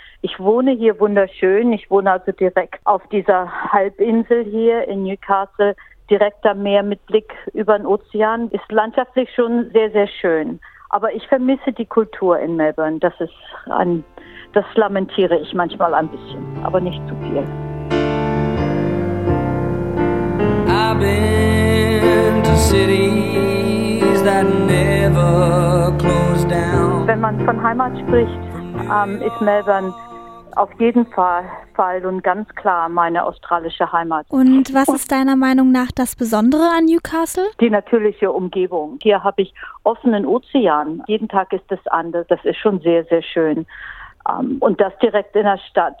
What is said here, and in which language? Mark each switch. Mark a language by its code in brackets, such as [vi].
[de] Ich wohne hier wunderschön. Ich wohne also direkt auf dieser Halbinsel hier in Newcastle, direkt am Meer mit Blick über den Ozean. Ist landschaftlich schon sehr, sehr schön. Aber ich vermisse die Kultur in Melbourne. Das lamentiere ich manchmal ein bisschen, aber nicht zu viel. [en] I've been to cities that never close down. [de] Wenn man von Heimat spricht, ist Melbourne auf jeden Fall und ganz klar meine australische Heimat. Und was ist deiner Meinung nach das Besondere an Newcastle? Die natürliche Umgebung. Hier habe ich offenen Ozean. Jeden Tag ist es anders. Das ist schon sehr, sehr schön. Und das direkt in der Stadt.